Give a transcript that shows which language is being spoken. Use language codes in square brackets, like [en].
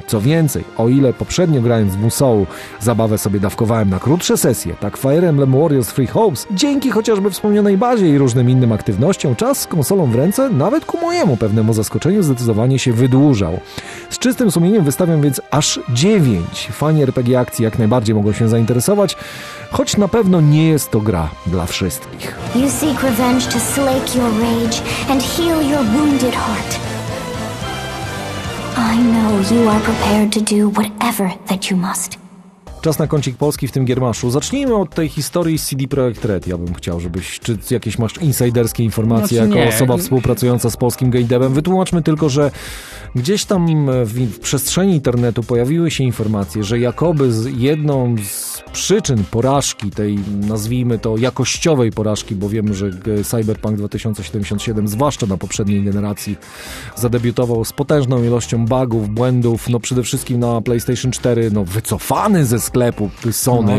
[pl] Co więcej, o ile poprzednio grając w Musou zabawę sobie dawkowałem na krótsze sesje, tak Fire Emblem Warriors Three Hopes dzięki chociażby wspomnianej bazie i różnym innym aktywnościom czas z konsolą w ręce nawet ku mojemu pewnemu zaskoczeniu zdecydowanie się wydłużał. Z czystym sumieniem wystawiam więc aż 9. Fani RPG akcji jak najbardziej mogą się zainteresować, choć na pewno nie jest to gra dla wszystkich. [en] You seek revenge to slake your rage and heal your wounded heart. I know you are prepared to do whatever that you must. [pl] Czas na kącik Polski w tym giermaszu. Zacznijmy od tej historii CD Projekt Red. Ja bym chciał, żebyś, czy jakieś masz insiderskie informacje, znaczy, jako nie. Osoba współpracująca z polskim game devem. Wytłumaczmy tylko, że gdzieś tam w przestrzeni internetu pojawiły się informacje, że jakoby z jedną z przyczyn porażki, tej nazwijmy to jakościowej porażki, bo wiem, że Cyberpunk 2077, zwłaszcza na poprzedniej generacji, zadebiutował z potężną ilością bugów, błędów, no przede wszystkim na PlayStation 4, no wycofany ze sklepu Sony.